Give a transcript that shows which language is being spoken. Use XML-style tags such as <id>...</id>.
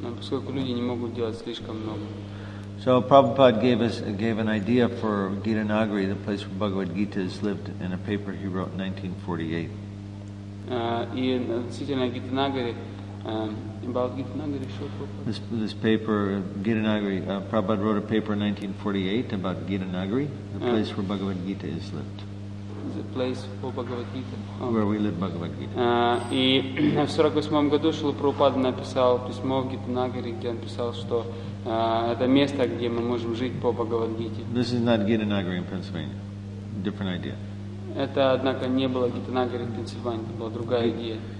<ru>Поскольку люди не могут делать слишком много.</ru> <en>So Prabhupada gave an idea for Gita Nagari, the place where Bhagavad Gita is lived, in a paper he wrote in 1948.</en> <ru>И относительно Гита Нагари,</ru> <en>about Гита Нагари, This paper, Gita Nagari, Prabhupada wrote a paper in 1948 about Gita Nagari, the place where Bhagavad Gita is lived. The place for Bhagavad Gita. Oh. Where we live, Bhagavad Gita.</en> <ru>И в 48 году Шрила Прабхупада написал письмо в Гитанагари, где он писал, что это место, где мы можем жить по Бхагавад Гите.</ru> <en>This is not Gitanagari in Pennsylvania. Different idea.</en> <ru>Это, однако, не было Гитанагари в Пенсильвании, это была другая идея.</ru>